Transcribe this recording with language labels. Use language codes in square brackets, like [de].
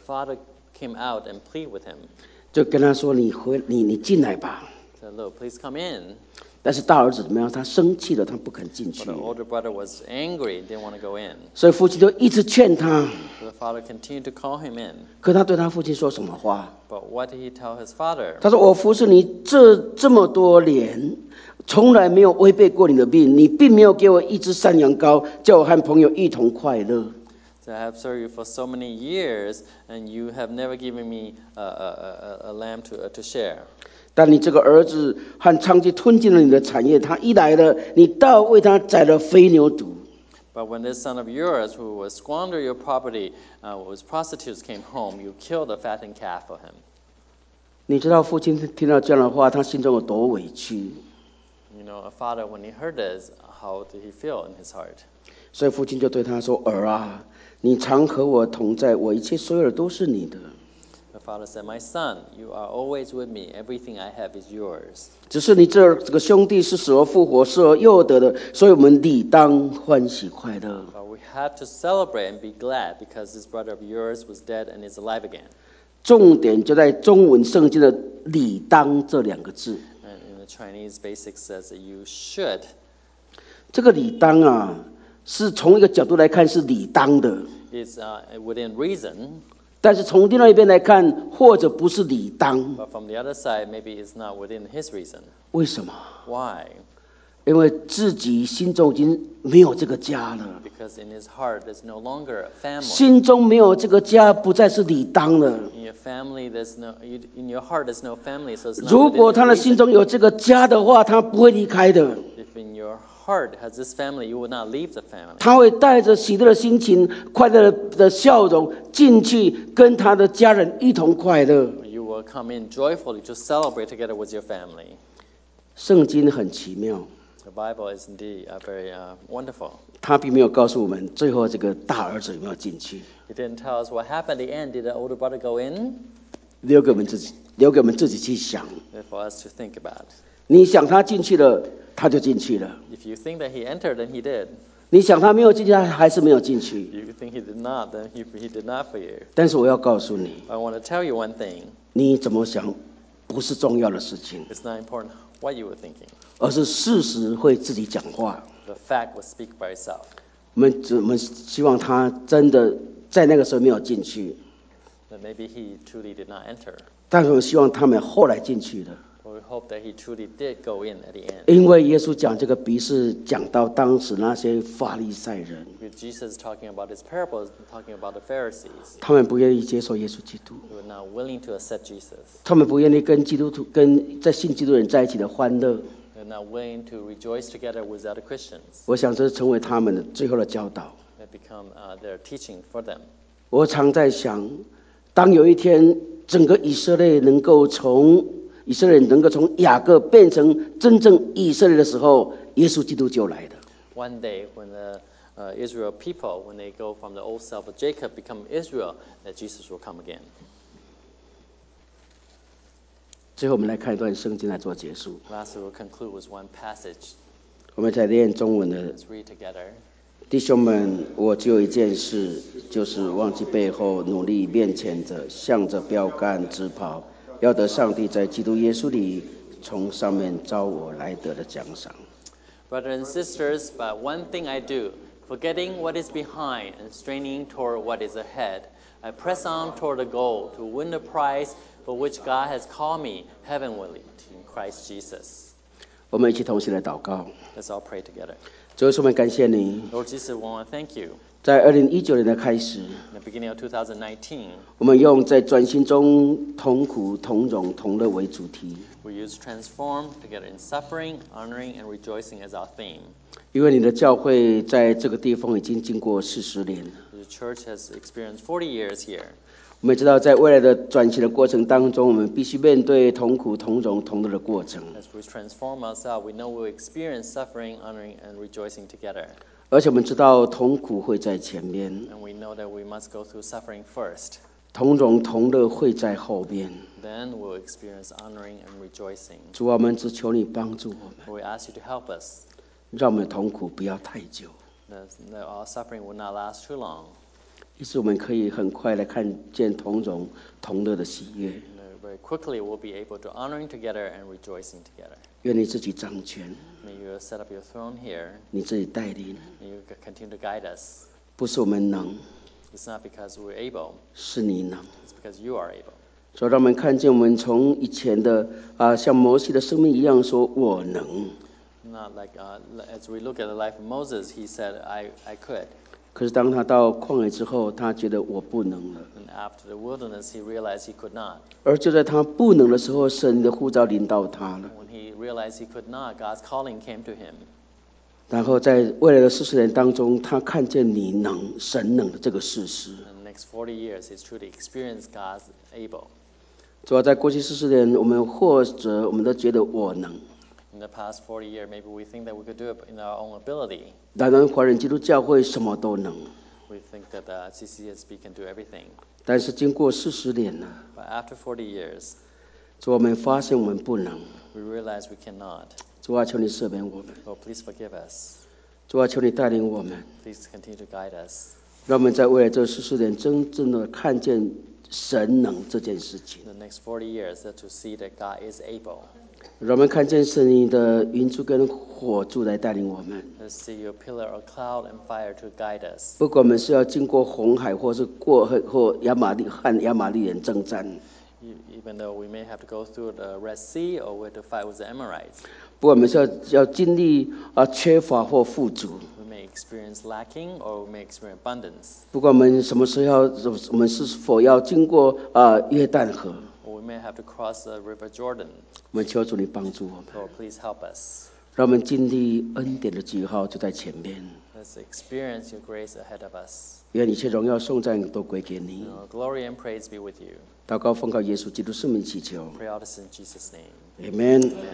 [en] The father came out and plead with him. [zh] 就跟他说你进来吧。 [en] So, look, please come in. [zh] 但是大儿子怎么样？他生气了，他不肯进去。 [en] But the older brother was angry, didn't want to go in. [zh] 所以父亲就一直劝他。 [en] So, the father continued to call him in. [zh] 可他对他父亲说什么话？ [en] But what did he tell his father? [zh] 他说我服侍你这么多年，从来没有违背过你的命，你并没有给我一只山羊羔，叫我和朋友一同快乐。 [en] So I have served you for so many years, and you have never given me a lamb to share. [zh] 但你这个儿子和娼妓吞进了你的产业，他一来了，你倒为他宰了肥牛犊。 [en] But when this son of yours, who was squandered your property, was prostitutes came home, you killed a fattened calf for him. [zh] 你知道父亲听到这样的话，他心中有多委屈。 [en] You know, a father when he heard this, how did he feel in his heart? [zh] 所以父亲就对他说，儿啊。你常和我同在，我一切所有的都是你的。 [en] The father said, "My son, you are always with me. Everything I have is yours." [zh] 只是你这个兄弟是死而复活、死而又得的，所以我们理当欢喜快乐。 [en] But we have to celebrate and be glad because this brother of yours was dead and is alive again. [zh] 重点就在中文圣经的“理当”这两个字。 [en] And in the Chinese basic says that you should. [zh] 这个“理当”啊。是从一个角度来看是理当的 [en] It's within reason [zh] 但是从另外一边来看或者不是理当 [en] But from the other side, maybe it's not within his reason [zh] 为什么 [en] Why? [zh] 因为自己心中已经没有这个家了 [en] Because in his heart, there's no longer a family [zh] 心中没有这个家不再是理当了 [en] In your family, there's no, in your heart, there's no family, so it's not [zh] 如果他的心中有这个家的话他不会离开的 [en] If in your heart has this family, you will not leave the family. [zh] 他会带着喜乐的心情，快乐的笑容进去，跟他的家人一同快乐。 [en] You will come in joyfully to celebrate together with your family. [zh] 圣经很奇妙。 [en] The Bible is indeed very wonderful. [zh] 他并没有告诉我们最后这个大儿子有没有进去。 [en] He didn't tell us what happened at the end. Did the older brother go in? [zh] 留给我们自己去想。 [en] For us to think about. [zh] 你想他进去了。他就进去了。 [en] If you think that he entered, then he did. [zh] 你想他没有进去，他还是没有进去。 [en] If you think he did not, then he did not for you. [zh] 但是我要告诉你。 [en] I want to tell you one thing. [zh] 你怎么想，不是重要的事情。 [en] It's not important what you were thinking. [zh] 而是事实会自己讲话。 [en] The fact will speak by itself. [zh] 我们希望他真的在那个时候没有进去。 [en] But maybe he truly did not enter. [zh] 但是我希望他们后来进去的。 [en] We hope that he truly did go in at the end. [zh] 因为耶稣讲这个比喻，讲到当时那些法利赛人。 [en] Because Jesus talking about his parables, talking about the Pharisees. [zh] 他们不愿意接受耶稣基督。 [en] They were not willing to accept Jesus. [zh] 他们不愿意跟基督徒、跟在信基督人在一起的欢乐。 [en] They're not willing to rejoice together with other Christians. [zh] 我想这是成为他们的最后的教导。 [en] That become their teaching for them. [zh] 我常在想，当有一天整个以色列能够从以色列人能够从雅各变成真正以色列的时候，耶稣基督就来了。 [en] One day when the Israel people, when they go from the old self of Jacob become Israel, that Jesus will come again. [zh] 最后，我们来看一段圣经来做结束。 [en] Last we'll conclude with one passage. [zh] 我们在练中文的。 [en] Let's read together. [zh] 弟兄们，我只有一件事，就是忘记背后，努力面前的，向着标杆直跑。要得上帝在基督耶稣里从上面召我来得的奖赏。 [en] Brothers and sisters, but one thing I do, Forgetting what is behind and straining toward what is ahead, I press on toward the goal to win the prize for which God has called me heavenward in Christ Jesus. [zh] 我们一起同心来祷告。 [en] Let's all pray together. [zh] 主耶稣，我们感谢你。 [en] Lord Jesus, we want to thank you. [zh] 在2019年的开始 [en] In the beginning of 2019, [zh] 我们用在转型中同苦同荣同乐为主题 [en] We use transform together in suffering, honoring and rejoicing as our theme [zh] 因为你的教会在这个地方已经经过40年了 [en] The church has experienced 40 years here [zh] 我们知道在未来的转型的过程当中我们必须面对同苦同荣同乐的过程 [en] As we transform ourselves, we know we'll experience suffering, honoring and rejoicing together [zh] 而且我们知道痛苦会在前面 [en] And we know that we must go through suffering first. [zh] 同荣同乐会在后边 [en] Then we'll experience honoring and rejoicing. [zh] 主啊，我们只求你帮助我们 [en] We ask you to help us. [zh] 让我们痛苦不要太久 [en] That our suffering will not last too long. [zh] 于是我们可以很快来看见同荣同乐的喜悦 [en] Very quickly we'll be able to honoring together and rejoicing together. [zh] 愿你自己掌权 [en] May you set up your throne here. [zh] 你自己带领 [en] May you continue to guide us. [zh] 不是我们能 [en] It's not because we're able. [zh] 是你能 [en] It's because you are able. [zh] 所以让我们看见我们从以前的、像摩西的生命一样说我能 [en] Not like、as we look at the life of Moses, he said, I could. [zh] 可是当他到旷野之后他觉得我不能了 [en] And after the wilderness, he realized he could not. [zh] 而就在他不能的时候神的呼召临到他了 [en] He realized he could not. God's calling came to him. [zh] 然后在未来的四十年当中，他看见你能、神能的这个事实。 [en] In the next 40 years, he's truly experienced God's able. [zh] 主要在过去四十年，我们或者我们都觉得我能。 [en] In the past 40 years, maybe we think that we could do it in our own ability. [zh] 但是华人基督教会什么都能。 [en] We think that CCSB can do everything. [zh] 但是经过四十年呢 [en] ？But after 40 years. [zh] 主我们发现我们不能。 [en] We realize we cannot. [zh] 主啊，求你赦免我们。 [en] Lord, please forgive us. [zh] 主啊，求你带领我们。 [en] Please continue to guide us. [zh] 让我们在未来这四十年真正的看见神能这件事情。 [en] The next 40 years to see that God is able. [zh] 让我们看见神的云柱跟火柱来带领我们。 [en] Let's see your pillar of cloud and fire to guide us. [zh] 不管我们是要经过红海，或是过或亚玛力和亚玛力人征战。 [en] Even though we may have to go through the Red Sea or we have to fight with the Amorites. [zh] 不过我们是 要经历、缺乏或富足。 [en] We may experience lacking or we may experience abundance. [zh] 不过我们什么时候要我们是否要经过、约旦河。 [en] Or we may have to cross the River Jordan. [zh] 我们求主你帮助我们。 [en] Lord, please help us. [zh] 让我们经历恩典的记号就在前面。 [en] Let's experience your grace ahead of us. [zh] 愿一切荣耀颂赞都归给你。 [en] Glory and praise be with you. [zh] 祷告奉靠耶稣基督圣名祈求。 [en] Pray all this in Jesus' name. Amen.